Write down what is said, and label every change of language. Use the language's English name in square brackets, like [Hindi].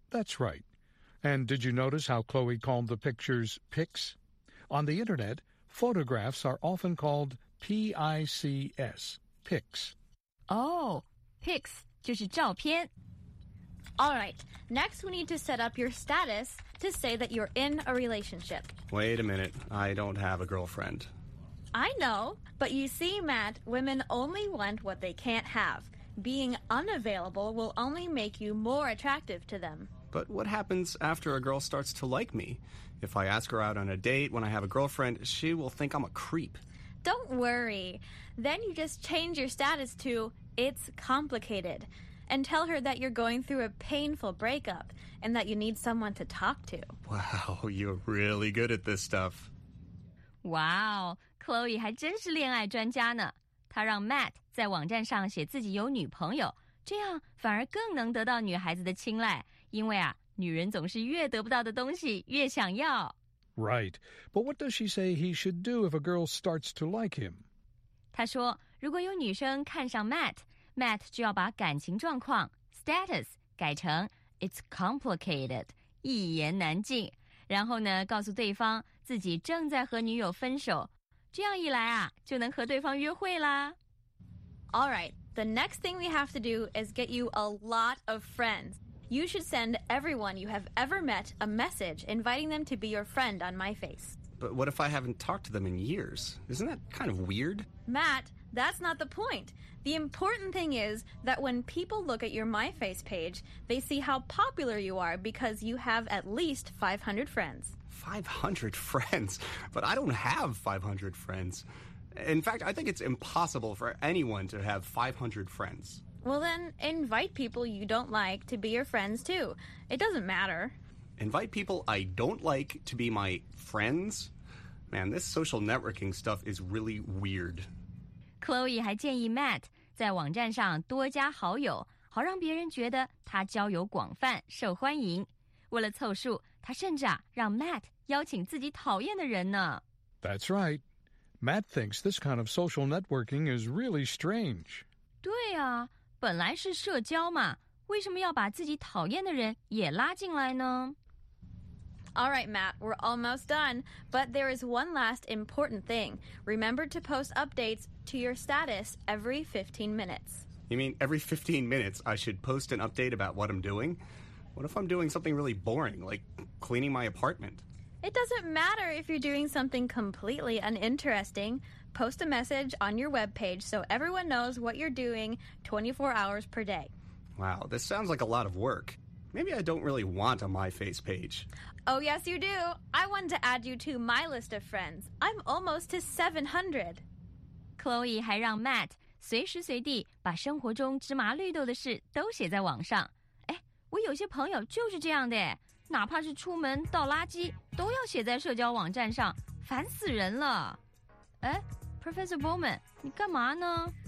[English] That's right. And did you notice how Chloe called the pictures pics? On the internet, photographs are often called P-I-C-S, pics. Oh, pics [Chinese] 就是照片。 [English] All right, next we need to set up your status to say that you're in a relationship. Wait a minute, I don't have a girlfriend. I know, but you see, Matt, women only want what they can't have. Being unavailable will only make you more attractive to them. But what happens after a girl starts to like me? If I ask her out on a date when I have a girlfriend, she will think I'm a creep. Don't worry. Then you just change your status to, it's complicated. And tell her that you're going through a painful breakup and that you need someone to talk to. Wow, you're really good at this stuff. [Chinese] Wow, Chloe 还真是恋爱专家呢。她让 Matt 在网站上写自己有女朋友，这样反而更能得到女孩子的青睐，因为啊，女人总是越得不到的东西越想要。 [English] Right, but what does she say he should do if a girl starts to like him? [Chinese] 她说，如果有女生看上 Matt,Matt 就要把感情状况 status 改成 [English] it's complicated [Chinese] 一言难尽，然后呢告诉对方自己正在和女友分手，这样一来啊就能和对方约会啦。 [English] All right, the next thing we have to do is get you a lot of friends. You should send everyone you have ever met a message inviting them to be your friend on my face. But what if I haven't talked to them in years? Isn't that kind of weird? Matt, that's not the point. The important thing is that when people look at your MyFace page, they see how popular you are because you have at least 500 friends. 500 friends? But I don't have 500 friends. In fact, I think it's impossible for anyone to have 500 friends. Well then, invite people you don't like to be your friends too. It doesn't matter. Invite people I don't like to be my friends? Man, this social networking stuff is really weird. [Chinese] Chloe 还建议 Matt 在网站上多加好友，好让别人觉得他交友广泛、受欢迎。为了凑数，他甚至啊让 Matt 邀请自己讨厌的人呢。 [English] That's right. Matt thinks this kind of social networking is really strange. [Chinese] 对啊，本来是社交嘛，为什么要把自己讨厌的人也拉进来呢？ [English] All right, Matt, we're almost done. But there is one last important thing. Remember to post updates to your status every 15 minutes. You mean every 15 minutes I should post an update about what I'm doing? What if I'm doing something really boring, like cleaning my apartment? It doesn't matter if you're doing something completely uninteresting. Post a message on your webpage so everyone knows what you're doing 24 hours per day. Wow, this sounds like a lot of work. Maybe I don't really want a MyFace page. Oh, yes, you do. I want to add you to my list of friends. I'm almost to 700. [Chinese] Chloe 还让 Matt 随时随地把生活中芝麻绿豆的事都写在网上。哎，我有些朋友就是这样的，哪怕是出门倒垃圾都要写在社交网站上，烦死人了。哎 ,Professor Bowman, 你干嘛呢？